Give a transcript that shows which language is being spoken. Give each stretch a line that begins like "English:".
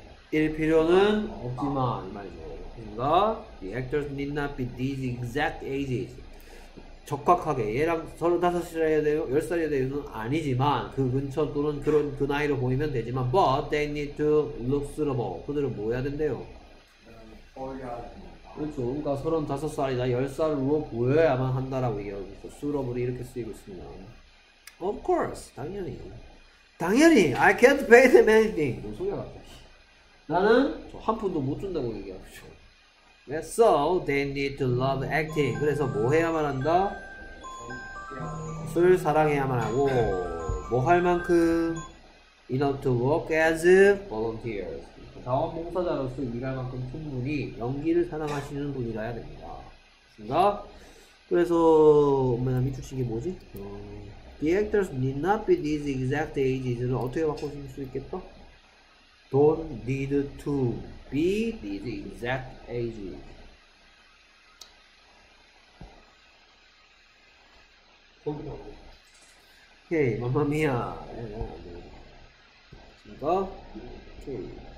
Korean: 일 필요는 없지만 말이죠.
English: 그러니까 the actors need not be these exact ages.
Korean: 적확하게 얘랑 35살이어야 돼요, 10살이어야 돼요는 아니지만 그 근처 또는 그런 그 나이로 보이면 되지만
English: but they need to look suitable.
Korean: 그들은 뭐 해야 된대요? 그렇죠. 그러니까 35살이나 10살로 보여야만 한다라고 얘기하고 있어. suitable 이렇게 쓰이고 있습니다.
English: Of course,
Korean: 당연히. 당연히
English: I can't pay them anything.
Korean: 뭐 소리야 갑자기. 나는 저 한 푼도 못 준다고 얘기하죠.
English: So they need to love acting.
Korean: 그래서 뭐 해야만 한다? 술 사랑해야만 하고 뭐 할 만큼
English: enough to work as volunteers.
Korean: 자원봉사자로서 일할 만큼 충분히 연기를 사랑하시는 분이라 야 됩니다. 됐습니다. 그래서 엄마 미추식이 뭐지?
English: The actors need not be these exact ages.
Korean: 어떻게 바꿔줄 수 있겠다?
English: Don't need to be these exact ages.
Korean: 오케이, 맘마미야. 됐습니까? 오케이.